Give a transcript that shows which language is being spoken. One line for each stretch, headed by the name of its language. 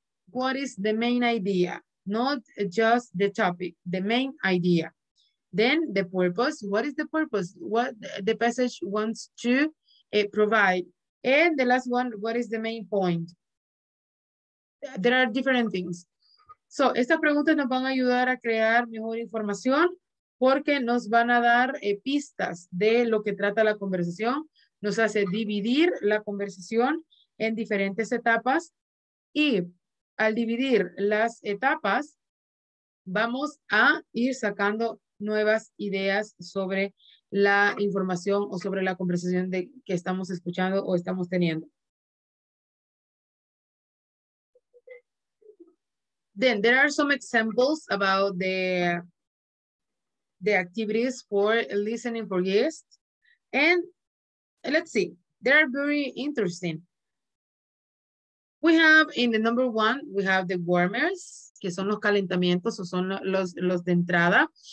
English: What is the main idea? Not just the topic, the main idea. Then the purpose, what is the purpose? What the passage wants to provide. And the last one, what is the main point? There are different things.
Spanish: So estas preguntas nos van a ayudar a crear mejor información porque nos van a dar pistas de lo que trata la conversación. Nos hace dividir la conversación en diferentes etapas, y al dividir las etapas vamos a ir sacando nuevas ideas sobre la información o sobre la conversación de que estamos escuchando o estamos teniendo.
English: Then there are some examples about the activities for listening for guests. And let's see, they are very interesting. We have in the number one, we have the warmers,
Spanish: que son los calentamientos o son los de entrada.